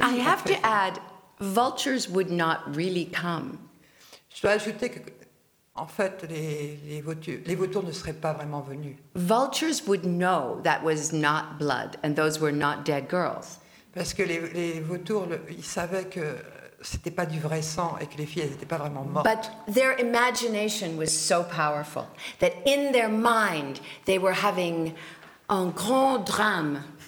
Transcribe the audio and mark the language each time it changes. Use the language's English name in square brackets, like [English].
[English] I have to add, vultures would not really come. [French] Je dois ajouter que, en fait, les vautours ne seraient pas vraiment venus. [English] Vultures would know that was not blood, and those were not dead girls. [French] Parce que les vautours, ils savaient que c'était pas du vrai sang et que les filles, elles étaient pas vraiment mortes. [English] But their imagination was so powerful that in their mind, they were having [French] un grand drame.